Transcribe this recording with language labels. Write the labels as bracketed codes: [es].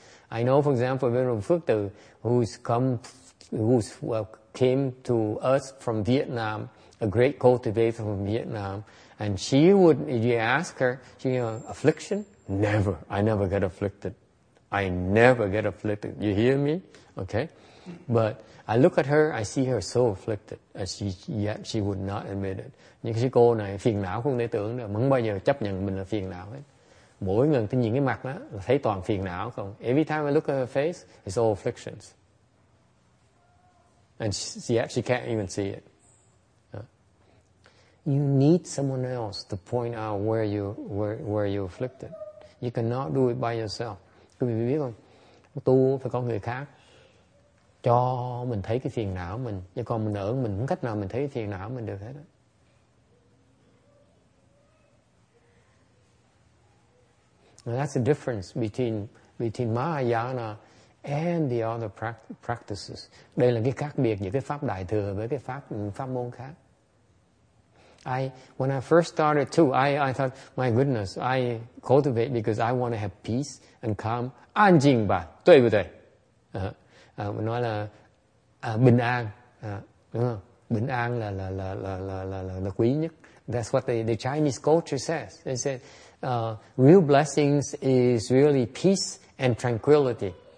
[en] I know for example Phước Từ who came to us from Vietnam, a great cultivator from Vietnam, and she would, if you ask her, she would, affliction? Never. I never get afflicted. I never get afflicted. You hear me? Okay. But I look at her, I see her so afflicted, and she would not admit it. [vi] Nhưng cái cô này phiền não không thể tưởng được, không bao giờ chấp nhận mình là phiền não hết. Mỗi lần tôi nhìn cái mặt đó, thấy toàn phiền não không. [en] Every time I look at her face, it's all afflictions. And she can't even see it. You need someone else to point out where you're afflicted. You cannot do it by yourself. [vi] Quý vị biết không? Tu phải có người khác cho mình thấy cái phiền não mình. Chứ còn mình ở mình không cách nào mình thấy cái phiền não mình được hết. [en] Now that's the difference between Mahayana and the other practices. [vi] Đây là cái khác biệt giữa cái pháp đại thừa với cái pháp môn khác. [en] When I first started too, I thought, my goodness, I cultivate because I want to have peace and calm. [zh] An jing ba, [vi] đúng không? Mình nói là bình an, đúng không? Bình an là quý nhất. [en] That's what the Chinese culture says. They said real blessings is really peace and tranquility.